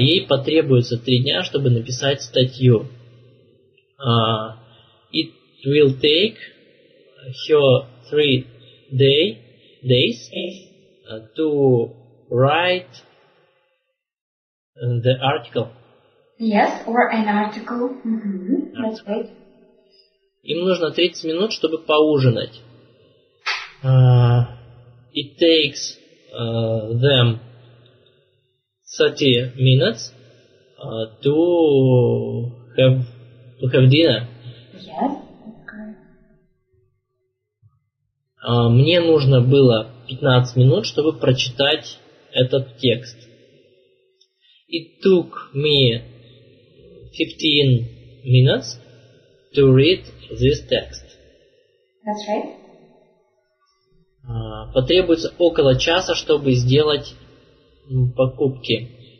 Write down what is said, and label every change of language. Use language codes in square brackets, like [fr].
[ru] Ей потребуется 3 дня, чтобы написать статью. [en] It will take her 3 days to write the article. Yes, or an article. Mm-hmm. That's right. [ru] Им нужно 30 минут, чтобы поужинать. [en] It takes them 30 minutes to have dinner. Yes. [ru] Мне нужно было 15 минут, чтобы прочитать этот текст. [en] It took me 15 minutes to read this text. That's right. [ru] Потребуется около часа, чтобы сделать покупки.